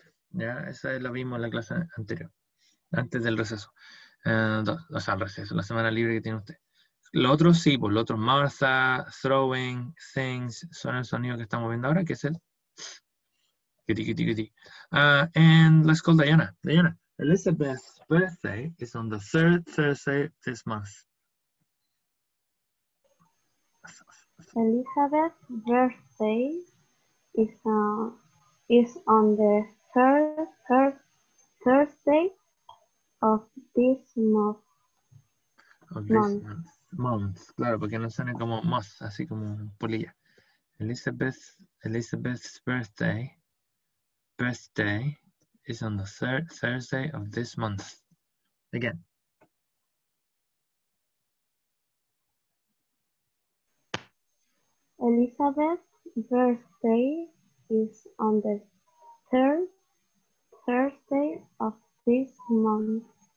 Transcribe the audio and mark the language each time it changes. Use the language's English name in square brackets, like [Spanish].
[Spanish] Ya, esa la vimos en la clase anterior, antes del receso. El receso, la semana libre que tiene usted. Lo otro sí, pues lo otro, Martha, throwing, things, son el sonido que estamos viendo ahora, que es el. [English] And let's call Diana. Diana. Elizabeth's birthday is on the third Thursday this month. Elizabeth's birthday is on the third Thursday of this month. Of this month. [Spanish] Claro, porque no suena como month, así como polilla. [English] Elizabeth's birthday. Is on the third Thursday of this month. Again. Elizabeth's birthday is on the third Thursday of this month.